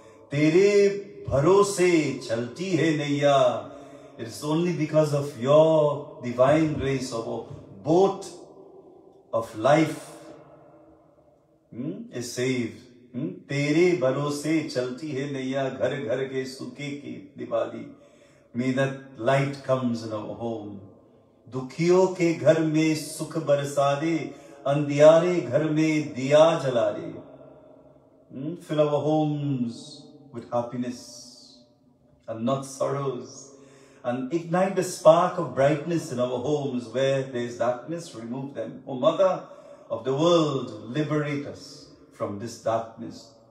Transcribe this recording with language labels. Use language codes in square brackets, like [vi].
[hi] Tere bharose chalti hai naiya, [en] it's only because of your divine grace of boat of life is saved. [hi] Tere bharose chalti hai naiya, ghar ghar ke sukhe ki diwali. [en] May that light comes in our home. [hi] दुखियों के घर में सुख बरसा दे, अंधियारे घर में दिया जला दे। [en] Fill our homes with happiness and not sorrows, and ignite the spark of brightness in our homes where there is darkness. Remove them, O Mother of the world, liberate us from this darkness.